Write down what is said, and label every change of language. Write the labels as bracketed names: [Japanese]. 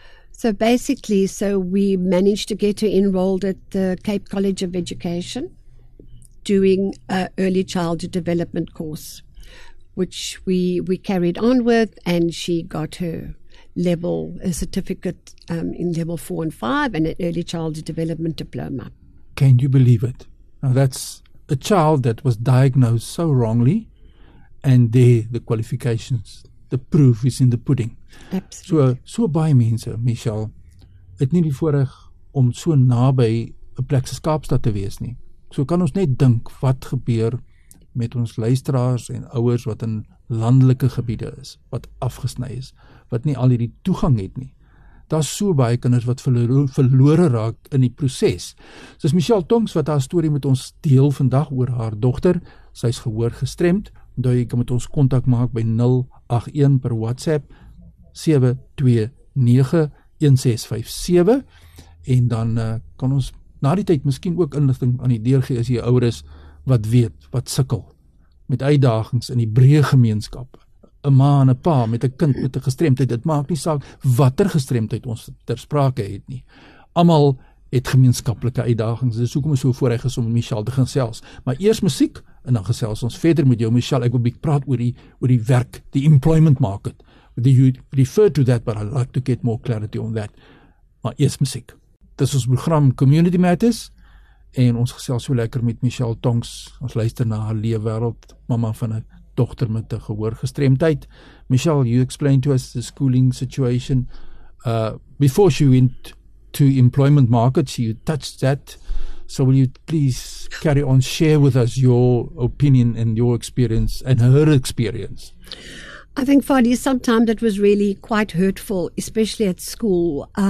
[English] So basically, so we managed to get her enrolled at the Cape College of Education doing a early childhood development course, which we carried on with, and she got her certificate in level 4 and 5 and an early childhood development diploma. Can you believe it? Now, that's a child that was diagnosed so wrongly, and there the qualifications, the proof is in the pudding. Absolutely. [Afrikaans] So baie mense, Michelle, het nie die voorreg om so naby 'n plek soos Kaapstad te wees nie. So kan ons net dink wat gebeur met ons luisteraars en ouers wat in landelike gebiede is, wat afgesny is, wat nie al hierdie toegang het nie. Daar's so baie kinders wat verlore raak in die proses. Soos Michelle Tongs wat haar storie met ons deel vandag oor haar dogter, sy is gehoor gestremd. Onthou jy kan met ons kontak maak by 081 per WhatsApp 729-1657 en dan kan ons na die tyd miskien ook inligting aan die deur gee as jy ouer is wat weet, wat sukkel met uitdagings in die breë gemeenskap. 'N Ma en 'n pa met 'n kind met 'n gestremdheid, dit maak nie saak watter gestremdheid ons ter sprake het nie. Almal het gemeenskaplike uitdagings. Dis hoekom ons so voorreg is om Michelle te gaan sels. Maar eers musiek en dan gesels ons verder met jou Michelle. Ek wil bietjie praat oor die werk, die employment market. [English] You refer to that, but I'd like to get more clarity on that. [Afrikaans] Maar eers musiek. Dis ons program Community Matters en ons gesels so lekker met Michelle Tongs. Ons luister na haar lewe wêreld, mama van 'n dogter met 'n gehoorgestremdheid. [English] Michelle, you explain to us the schooling situation. Before she went to employment market, she touched that. So will you please carry on, share with us your opinion and your experience and her experience? I think, Fadi, sometimes it was really quite hurtful, especially at school.